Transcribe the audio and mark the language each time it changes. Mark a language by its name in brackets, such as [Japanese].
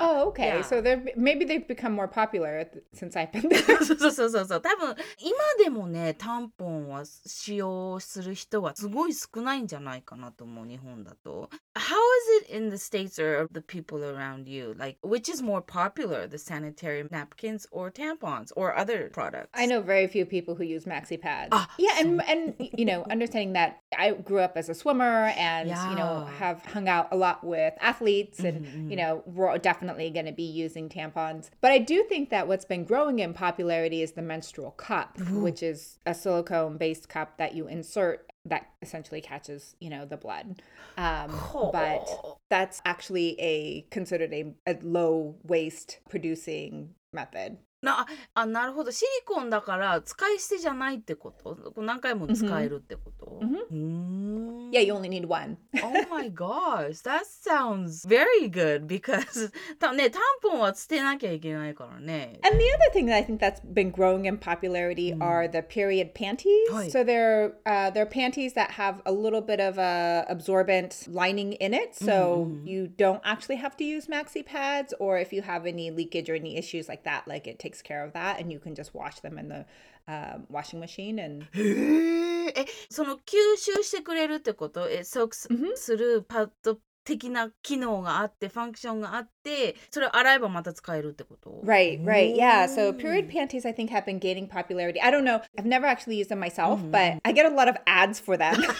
[English] Oh okay、yeah. So maybe they've become more popular since I've been there. [Japanese] そう多分今でもね、タンポンは使用する人はすごい少ないんじゃないかなと思う、日本だと。 [English] How is it in the states or the people around you? Like which is more popular, the sanitary napkins or tampons or other products? I know very few people who use maxi pads. Yeah, and you know, understanding that I grew up as a swimmer and you know, have hung out a lot with athletes and you know, we're definitely going to be using tampons. But I do think that what's been growing in popularity is the menstrual cup, which is a silicone based cup that you insert that essentially catches, you know, the blood. But that's actually a considered a low waste producing method. [Japanese] なるほど。シリコンだから使い捨てじゃないってこと？何回も使えるってこと？ [English] Yeah, you only need one. Oh my gosh, that sounds very good because [Japanese] ね、タンポンは捨てなきゃいけないからね。 [English] And the other thing that I think that's been growing in popularity are the period panties. So they're panties that have a little bit of a absorbent lining in it. So you don't actually have to use maxi pads, or if you have any leakage or any issues like that, like it takes care of that and you can just wash them in the washing machine and [Japanese] その吸収してくれるってこと、ソックスするパッド的な機能があってファンクションがあってそれを洗えばまた使えるってこと。 [English] Right yeah, so period panties I think have been gaining popularity. I don't know, I've never actually used them myself, but I get a lot of ads for them.